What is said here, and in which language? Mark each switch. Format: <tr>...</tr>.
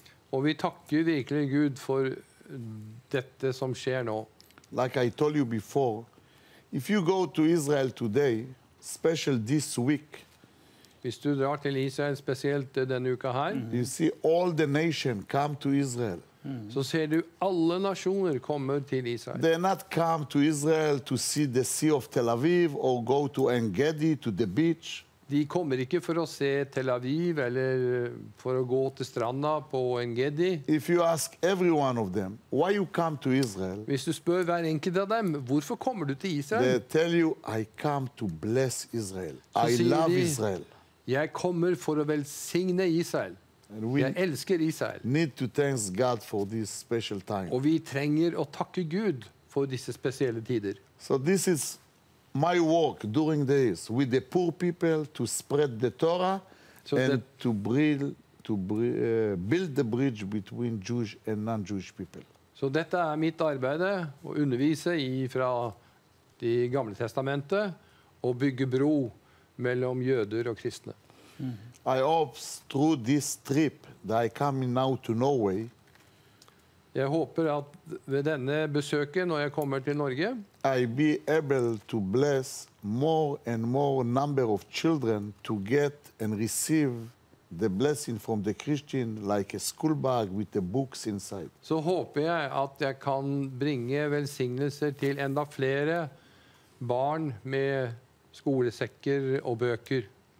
<no>Og vi takker virkelig Gud for dette som skjer nå.</no> <en>Like I told you before, if you go to Israel today, especially this week,</en> <no>hvis du drar til Israel spesielt denne uka her,</no> <en>you see all the nation come to Israel.</en> <no>Så ser du alle nasjoner komme til Israel.</no> <en>They not come to Israel to see the Sea of Tel Aviv or go to En Gedi, to the beach.</en> <no>De kommer ikke for å se Tel Aviv eller for å gå til stranda på En Gedi.</no> <en>If you ask every one of them, why you come to Israel?</en> <no>Hvis du spør hver enkelt av dem, hvorfor kommer du til Israel?</no> <en>They tell you, I come to bless Israel. I love Israel.</en> <no>Jeg kommer for å velsigne Israel. Jeg elsker Israel.</no> <en>Need to thanks God for this special time.</en> <no>Og vi trenger å takke Gud for disse spesielle tider.</no> <en>So this is my work during this with the poor people to spread the Torah so and to build the bridge between Jewish and non-Jewish people.</en> <no>Så dette er mitt arbeid, å undervise fra det gamle testamentet og bygge bro mellom jøder og kristne.</no> <en>I hope through this trip that I come now to Norway.</en> <no>Jeg håper at ved denne besøket når jeg kommer til Norge,</no> <en>I be able to bless more and more number of children to get and receive the blessing from the Christian like a school bag with the books inside.</en> <no>Så håper jeg at jeg kan bringe velsignelser til enda flere barn med skolesekker og bøker.</no>